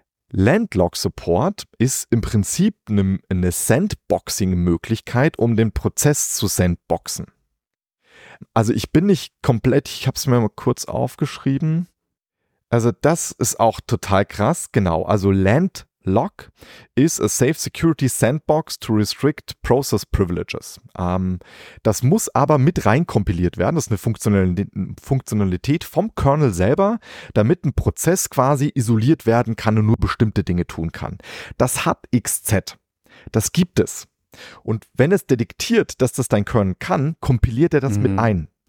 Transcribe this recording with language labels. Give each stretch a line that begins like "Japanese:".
German: Landlock Support ist im Prinzip eine Sandboxing-Möglichkeit, um den Prozess zu sandboxen. Also ich bin nicht komplett, ich habe es mir mal kurz aufgeschrieben. Also das ist auch total krass, genau. Also
English: Lock is a safe security sandbox to restrict process privileges.
German: Das muss aber mit reinkompiliert werden. Das ist eine Funktionalität vom Kernel selber, damit ein Prozess quasi isoliert werden kann und nur bestimmte Dinge tun kann. Das hat XZ. Das gibt es. Und wenn es detektiert, dass das dein Kernel kann, kompiliert er das mit ein.